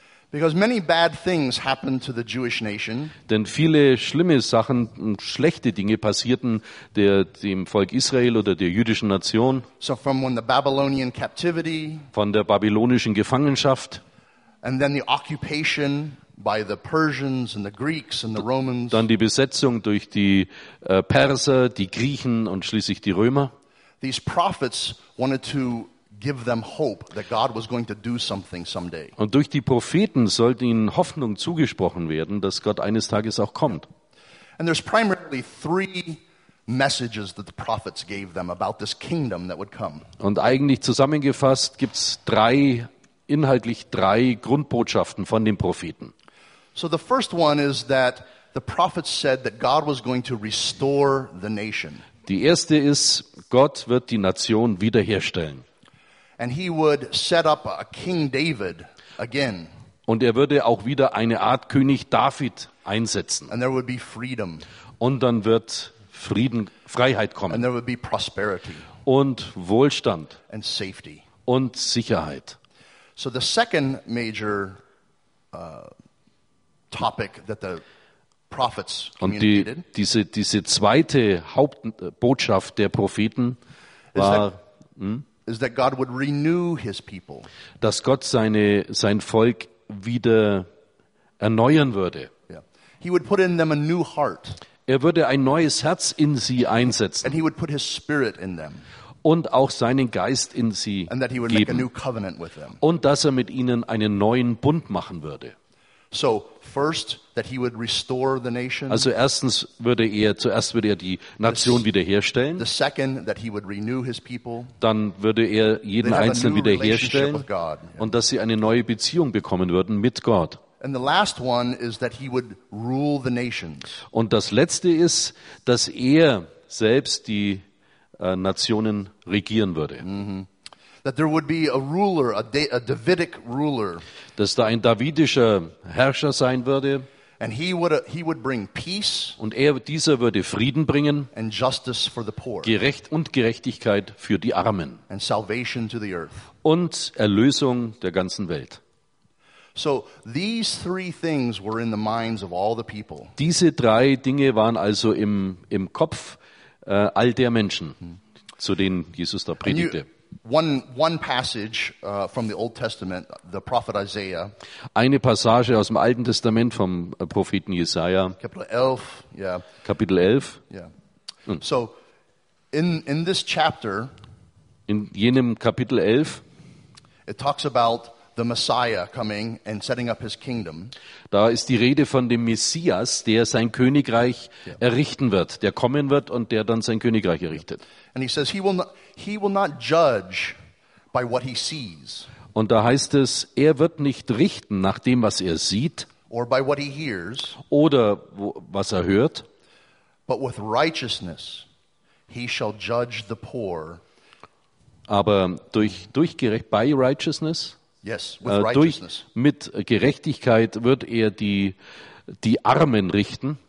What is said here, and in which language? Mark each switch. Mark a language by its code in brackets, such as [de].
[en] Because many bad things happened to the Jewish nation. [de] Denn viele schlimme Sachen und schlechte Dinge passierten dem Volk Israel oder der jüdischen Nation. [en] So from when the Babylonian captivity, [de] von der babylonischen Gefangenschaft, [en] and then the occupation by the Persians and the Greeks and the Romans. [de] Dann die Besetzung durch die Perser, die Griechen und schließlich die Römer. [en] These prophets wanted to give them hope that God was going to do something someday. [de] Und durch die Propheten sollte ihnen Hoffnung zugesprochen werden, dass Gott eines Tages auch kommt. [en] And there's primarily three messages that the prophets gave them about this kingdom that would come. [de] Und eigentlich zusammengefasst gibt's inhaltlich drei Grundbotschaften von den Propheten. [en] So the first one is that the prophets said that God was going to restore the nation. [de] Die erste ist, Gott wird die Nation wiederherstellen. [en] And he would set up a King David again. [de] Und würde auch wieder eine Art König David einsetzen. [en] And there would be freedom. [de] Und dann wird Frieden, Freiheit kommen. [en] And there would be prosperity. [de] Und Wohlstand. [en] And safety. [de] Und Sicherheit. [en] So the second major topic that the prophets communicated. [de] Und diese zweite Hauptbotschaft der Propheten war, [en] is that God would renew his people. [de] Dass Gott sein Volk wieder erneuern würde. [en] Yeah. He would put in them a new heart. [de] Würde ein neues Herz in sie einsetzen. [en] And he would put his spirit in them. [de] Und auch seinen Geist in sie [en] and that he would [de] geben. [en] Make a new covenant with them. [de] Und dass mit ihnen einen neuen Bund machen würde. [en] So first that he would restore the nation. [de] Also erstens würde er die Nation wiederherstellen. [en] The second that he would renew his people. [de] Dann würde jeden Einzelnen wiederherstellen und dass sie eine neue Beziehung bekommen würden mit Gott. [en] And the last one is that he would rule the nations. [de] Und das letzte ist, dass selbst die Nationen regieren würde. Mm-hmm. [en] That there would be a ruler, a Davidic ruler. [de] Dass da ein davidischer Herrscher sein würde. [en] And he would bring peace. [de] Und dieser würde Frieden bringen. [en] And justice for the poor. [de] Gerecht und Gerechtigkeit für die Armen. [en] And salvation to the earth. [de] Und Erlösung der ganzen Welt. [en] So these three things were in the minds of all the people. [de] Diese drei Dinge waren also im Kopf all der Menschen, zu denen Jesus da predigte. [en] One passage from the Old Testament, the prophet Isaiah. [de] Eine Passage aus dem Alten Testament vom Propheten Jesaja. Kapitel 11. [en] Yeah. So, in this chapter. [de] In jenem Kapitel 11. [en] It talks about the Messiah coming and setting up his kingdom. [de] Da ist die Rede von dem Messias, der sein Königreich errichten wird, der kommen wird und der dann sein Königreich errichtet. [en] And he says he will not judge by what he sees. [de] Und da heißt es, wird nicht richten nach dem, was sieht, [en] or by what he hears, [de] oder was hört. [en] But with righteousness he shall judge the poor. [de] Aber durch gerecht [en] by righteousness. Yes, with righteousness. [de] Mit Gerechtigkeit wird die Armen richten.